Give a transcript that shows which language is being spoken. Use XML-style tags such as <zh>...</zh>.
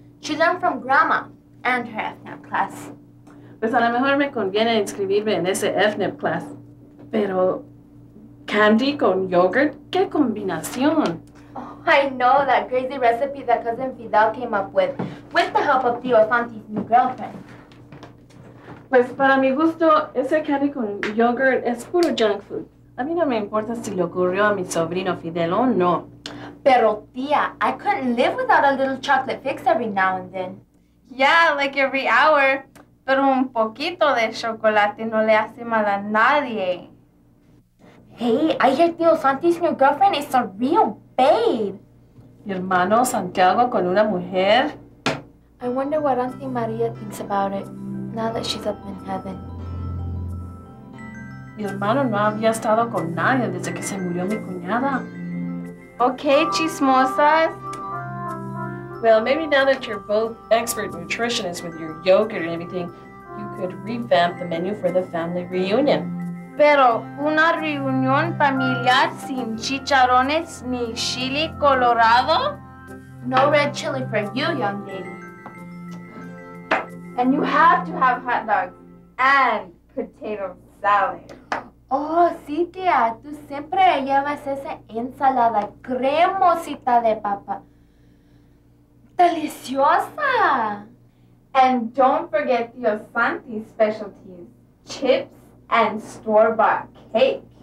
<en>She learned from grandma and her FNAP class.</en> <es>Pues a lo mejor me conviene inscribirme en ese FNAP class. Pero, ¿candy con yogurt? ¿Qué combinación?</es> <en>I know that crazy recipe that Cousin Fidel came up with the help of Tio Santi's new girlfriend.</en> <es>Pues para mi gusto, ese candy con yogurt es puro junk food. A mí no me importa si le ocurrió a mi sobrino Fidel o no. Pero tía,</es> <en>I couldn't live without a little chocolate fix every now and then. Yeah, like every hour.</en> <es>Pero un poquito de chocolate no le hace mal a nadie.</es> <en>Hey, I hear Tio Santi's new girlfriend is a real babe.</en> <es>¿Mi hermano Santiago con una mujer?</es> <en>I wonder what Auntie Maria thinks about it now that she's up in heaven.</en> <es>Mi hermano no había estado con nadie desde que se murió mi cuñada. Okay, chismosas.</es> <en>Well, maybe now that you're both expert nutritionists with your yogurt and everything, you could revamp the menu for the family reunion.</en> <es>Pero una reunión familiar sin chicharrones ni chili colorado?</es> <en>No red chili for you, young lady. And you have to have hot dogs and potato salad.</en> <es>Oh, sí, tía. Tú siempre llevas esa ensalada cremosita de papa. ¡Deliciosa!</es> <en>And don't forget Tio Santi's specialties. Chips. And store-bought cake.</en>